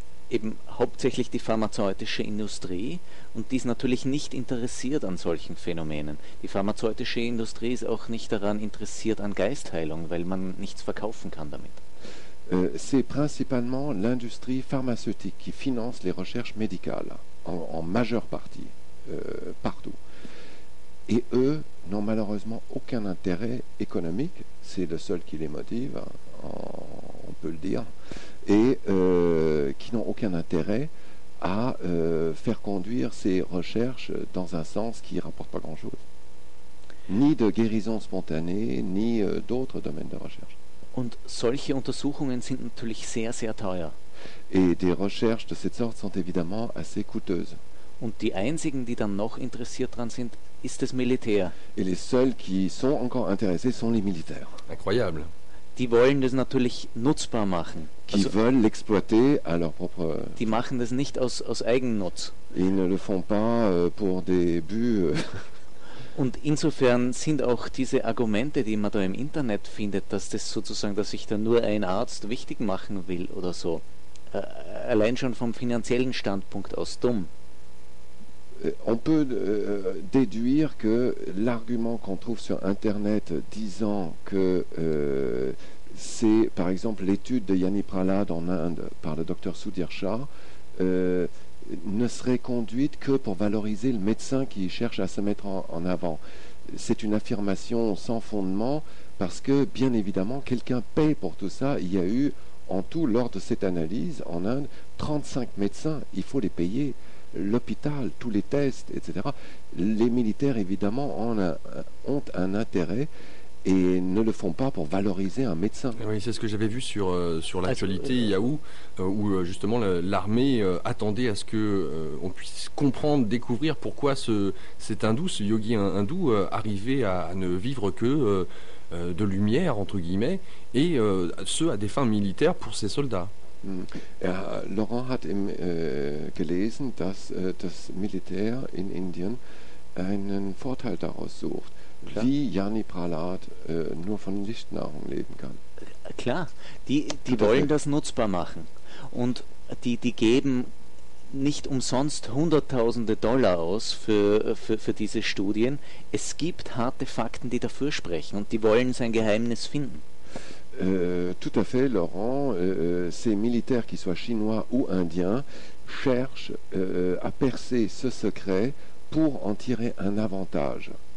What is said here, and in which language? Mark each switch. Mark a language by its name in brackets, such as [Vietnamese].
[German] Eben hauptsächlich die pharmazeutische Industrie und die ist natürlich nicht interessiert an solchen Phänomenen. Die pharmazeutische Industrie ist auch nicht daran interessiert an Geistheilung, weil man nichts verkaufen kann damit. [French] C'est principalement l'industrie pharmaceutique qui finance les recherches médicales en majeure partie partout. Et eux n'ont malheureusement aucun intérêt économique, c'est le seul qui les motive, on peut le dire. Et qui n'ont aucun intérêt à faire conduire ces recherches dans un sens qui ne rapporte pas grand-chose. Ni de guérison spontanée, ni d'autres domaines de recherche. [German] Und solche Untersuchungen sind natürlich sehr, sehr teuer. [French] Et des recherches de cette sorte sont évidemment assez coûteuses. [German] Und die einzigen, die dann noch interessiert dran sind, ist das Militär. [French] Et les seuls qui sont encore intéressés sont les militaires. Incroyable. [German] Die wollen das natürlich nutzbar machen. [French] Qui veulent l'exploiter à leur propre... [German] Die machen das nicht aus Eigennutz. [French] Ils ne le font pas pour des buts. [German] Und insofern sind auch diese Argumente, die man da im Internet findet, dass das sozusagen, dass sich da nur ein Arzt wichtig machen will oder so, allein schon vom finanziellen Standpunkt aus dumm. [French] On peut déduire que l'argument qu'on trouve sur Internet disant que c'est par exemple l'étude de Yani Prahlad en Inde par le docteur Sudhir Shah ne serait conduite que pour valoriser le médecin qui cherche à se mettre en avant. C'est une affirmation sans fondement parce que bien évidemment quelqu'un paye pour tout ça. Il y a eu En tout, lors de cette analyse, en Inde, 35 médecins, il faut les payer, l'hôpital, tous les tests, etc. Les militaires, évidemment, ont un intérêt et ne le font pas pour valoriser un médecin. Oui, c'est ce que j'avais vu sur l'actualité Yahoo, où justement l'armée attendait à ce qu'on puisse comprendre, découvrir pourquoi cet hindou, ce yogi hindou, arrivait à ne vivre que de lumière, entre guillemets, et ce, à des fins militaires pour ses soldats. [German] Laurent hat gelesen, dass das Militär in Indien einen Vorteil daraus sucht, klar, wie Jani Pralat nur von Lichtnahrung leben kann. Klar, die wollen das nutzbar machen. Und die geben nicht umsonst hunderttausende Dollar aus für diese Studien. Es gibt harte Fakten, die dafür sprechen, und die wollen sein Geheimnis finden. [French] Tout à fait, Laurent. Ces militaires, qu'ils soient chinois ou indiens, cherchent à percer ce secret pour en tirer un avantage.